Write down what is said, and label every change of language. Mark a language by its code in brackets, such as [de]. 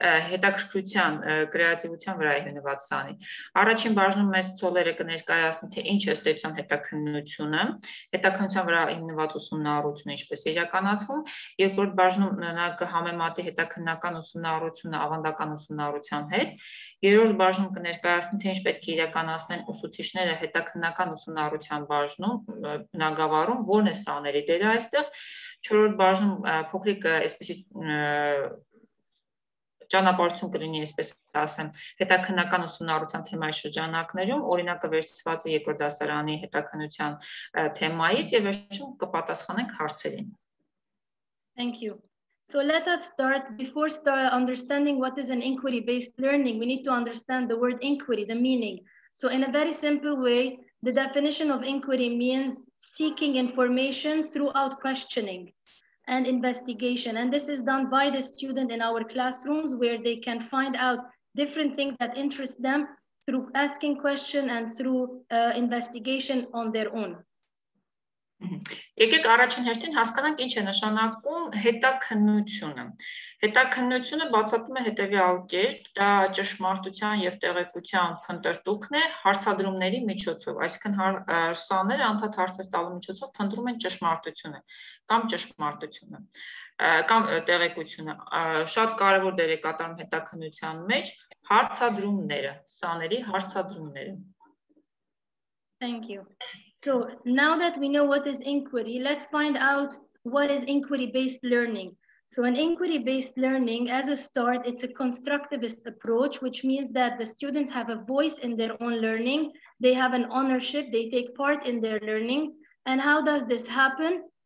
[hy] հետաքրքրության, կրեատիվության վրա է հիմնված սանի։ Առաջին բաժնում մեզ ցոլերը կներկայացնի, թե ինչ է ստեղծում հետաքննությունը, հետաքննության վրա հիմնված ուսումնառությունը ինչպես իրականացվում, երկրորդ բաժնում նա կհամեմատի հետաքննական ուսումնառությունը ավանդական ուսումնառության հետ, երրորդ բաժնում կներկայացնի, թե ինչ պետք է իրականացնեն ուսուցիչները հետաքննական ուսումնառության բաժնում, բնագավառում, որն է սաների դերը այստեղ, չորրորդ բաժնում փոքրիկ այսպեսի ճանապարհություն կլինի, այսպես ասեմ, հետաքննական ուսումնառության թեմայի շրջանակներում, օրինակը վերցված է երկրորդ դասարանի հետաքննության թեմայից, եւ վերջում կպատասխանենք հարցերին։ [en] Thank you. So let us start. Before understanding what is an inquiry-based learning, we need to understand the word inquiry, the meaning. So in a very simple way, the definition of inquiry means seeking information throughout questioning and investigation. And this is done by the student in our classrooms, where they can find out different things that interest them through asking questions and through investigation on their own. [hy] Եկեք առաջին հերթին հասկանանք ինչ է նշանակում հետաքննությունը։ Հետաքննությունը բացատրում է հետևյալ կերպ. դա ճշմարտության և տեղեկության փնտրտուքն է հարցադրումների միջոցով, այսինքն հարցաները անդադար հարցեր տալու միջոցով փնտրում են ճշմարտությունը կամ ճշմարտությունը կամ տեղեկությունը։ Շատ կարևոր դեր է կատարում հետաքննության մեջ հարցադրումները, սաների հարցադրումները։ [en] Thank you. So now that we know what is inquiry, let's find out what is inquiry-based learning. So an inquiry-based learning, as a start, it's a constructivist approach, which means that the students have a voice in their own learning. They have an ownership. They take part in their learning. And how does this happen?